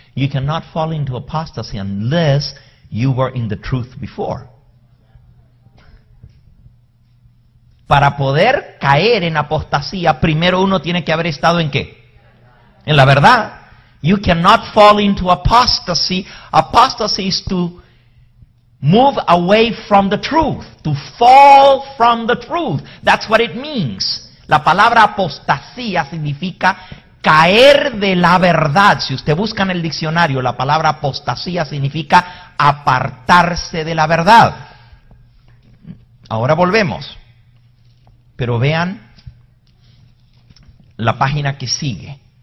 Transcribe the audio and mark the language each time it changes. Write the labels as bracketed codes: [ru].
[en] You cannot fall into apostasy unless you were in the truth before. [es] Para poder caer en apostasía, primero uno tiene que haber estado ¿en qué? En la verdad. [en] You cannot fall into apostasy. Apostasy is to move away from the truth. To fall from the truth. That's what it means. [es] La palabra apostasía significa caer de la verdad. Si usted busca en el diccionario, la palabra apostasía significa apartarse de la verdad. Ahora volvemos. Pero vean la página que sigue.